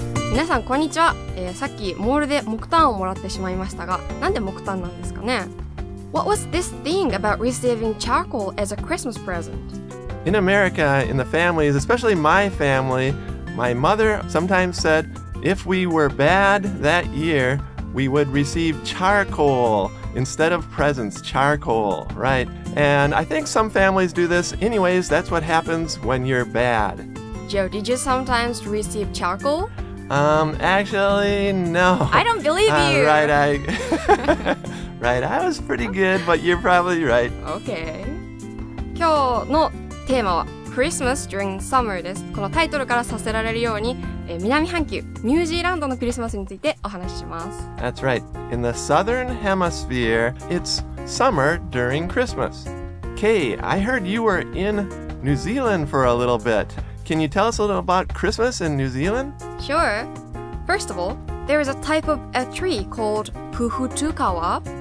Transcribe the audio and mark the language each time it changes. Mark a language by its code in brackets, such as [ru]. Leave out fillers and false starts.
[ja] 皆さんこんにちは、さっきモールで木炭をもらってしまいましたが、なんで木炭なんですかね。 [en] What was this thing about receiving charcoal as a Christmas present? In America, in the families, especially my family, my mother sometimes said, if we were bad that year, we would receive charcoal instead of presents, charcoal, right? And I think some families do this. Anyways, that's what happens when you're bad. Joe, did you sometimes receive charcoal? Actually, no. I don't believe you. Right, I was pretty good, but you're probably right. Okay. [ja] 今日のテーマは [en] Christmas during summer [ja] です。このタイトルからさせられるように、南半球、ニュージーランドのクリスマスについてお話しします。 [en] That's right. In the southern hemisphere, it's summer during Christmas. Kay, I heard you were in New Zealand for a little bit. Can you tell us a little about Christmas in New Zealand? Sure. First of all, there is a type of a tree called puhutukawa.